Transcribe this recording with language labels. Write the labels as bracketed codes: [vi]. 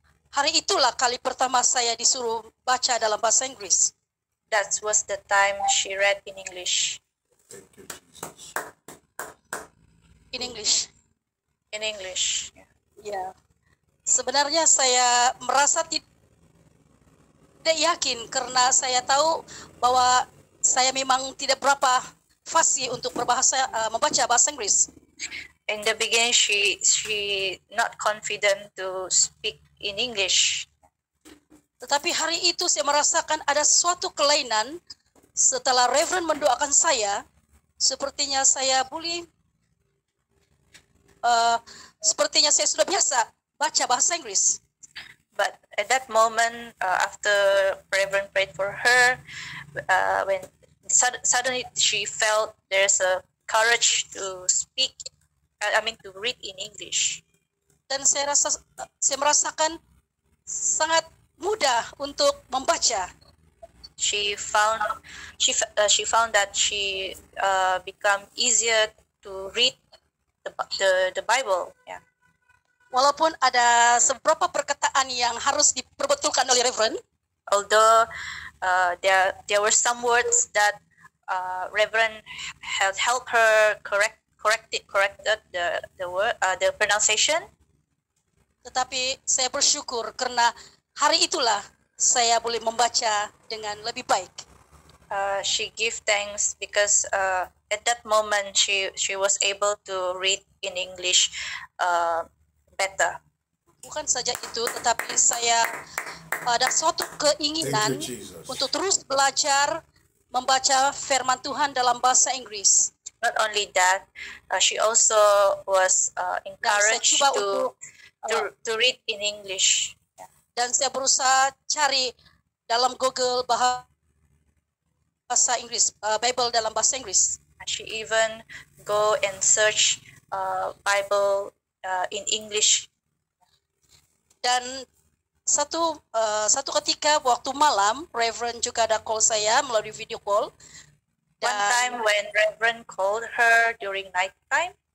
[ms] hari itulah kali pertama saya disuruh baca dalam bahasa Inggris. [en] That was the time she read in English. Thank you, Jesus. In English. In English. [ms] Ya. Sebenarnya saya merasa tidak yakin karena saya tahu bahwa saya memang tidak berapa fasih untuk berbahasa membaca bahasa Inggris. [en] In the beginning, she not confident to speak in English. [ms] Tetapi hari itu saya merasakan ada suatu kelainan setelah Reverend mendoakan saya, sepertinya saya boleh, sepertinya saya sudah biasa baca bahasa Inggris. [en] But at that moment, after Reverend prayed for her, when suddenly she felt there's a courage to speak, I mean to read in English. [ms] Dan saya rasa, saya merasakan sangat mudah untuk membaca. [en] She found that she become easier to read the Bible. Yeah. [ms] Walaupun ada beberapa perkataan yang harus diperbetulkan oleh Reverend. [en] Although there were some words that Reverend had helped her corrected the pronunciation. [ms] Tetapi saya bersyukur karena hari itulah saya boleh membaca dengan lebih baik. [en] She give thanks because at that moment she was able to read in English better. [ms] Bukan saja itu, tetapi saya ada suatu keinginan untuk terus belajar membaca firman Tuhan dalam bahasa Inggris. [en] Not only that, she also was encouraged to read in English. [ms] Dan saya berusaha cari dalam Google bahasa Inggris, Bible dalam bahasa Inggris. [en] She even go and search Bible in English. [ms] Dan satu ketika waktu malam, Reverend juga ada call saya melalui video call. [en] Dan, one time when Reverend called her during night time.